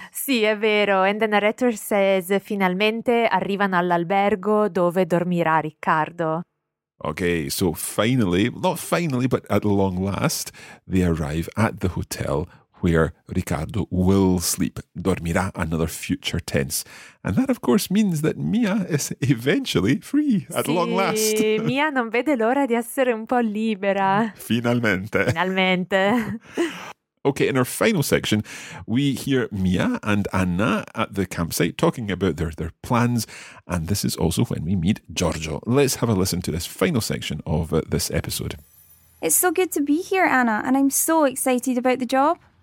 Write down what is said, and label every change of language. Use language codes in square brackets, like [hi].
[it] Sì, è vero. [en] And the narrator says, [it] finalmente arrivano all'albergo dove dormirà Riccardo. [en] Okay, so finally, not finally, but at long last, they arrive at the hotel where Riccardo will sleep. Dormirà, another future tense. And that, of course, means that Mia is eventually free, at [it] sì, [en] long last. [it] Sì, Mia non vede l'ora di essere un po' libera. Finalmente. Finalmente. [en] Okay, in our final section, we hear Mia and Anna at the campsite talking about their plans, and this is also when we meet Giorgio. Let's have a listen to this final section of this episode. It's so good to be here, Anna, and I'm so excited about the job.